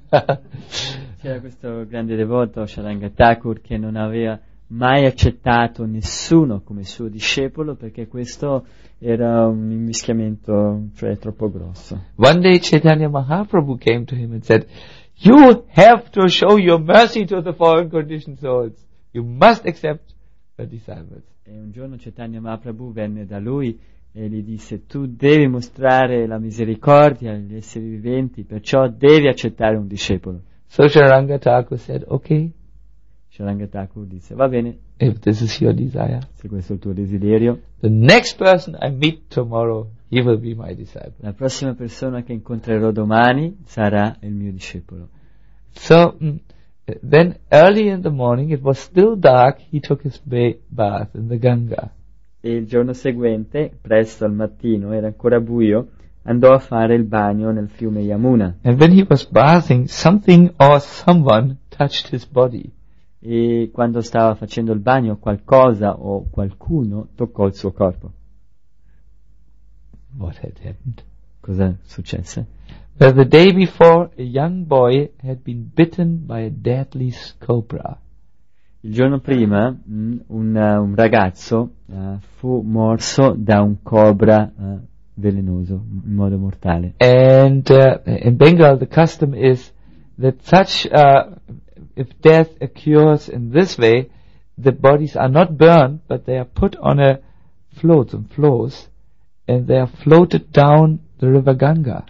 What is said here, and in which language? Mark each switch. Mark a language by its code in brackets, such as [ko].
[it] C'era questo grande devoto, Shalanga Thakur, che non aveva mai accettato nessuno come suo discepolo perché questo era un invischiamento, cioè troppo grosso. [en] One day Chaitanya Mahaprabhu came to him and said, "You have to show your mercy to the fallen conditioned souls. You must accept the disciples." [it] E un giorno Chaitanya Mahaprabhu venne da lui e gli disse, "Tu devi mostrare la misericordia agli esseri viventi, perciò devi accettare un discepolo." [en] So Sharanga Thakur said, "Okay." [it] Sharanga Thakur disse, "Va bene." [en] "If this is your desire." [it] Se questo è il tuo desiderio. [en] "The next person I meet tomorrow, he will be my disciple." [it] La prossima persona che incontrerò domani sarà il mio discepolo. [en] So then early in the morning, it was still dark, he took his bath in the Ganga. [it] E il giorno seguente, presto al mattino, era ancora buio, andò a fare il bagno nel fiume Yamuna. [en] And when he was bathing, something or someone touched his body. [it] E quando stava facendo il bagno, qualcosa o qualcuno toccò il suo corpo. [en] What had happened? [it] Cosa successe? [en] Well, the day before, a young boy had been bitten by a deadly cobra. [it] Il giorno prima un ragazzo fu morso da un cobra velenoso in modo mortale. [en] And in Bengal the custom is that such if death occurs in this way, the bodies are not burned but they are put on a float, some floats, and they are floated down the river Ganga.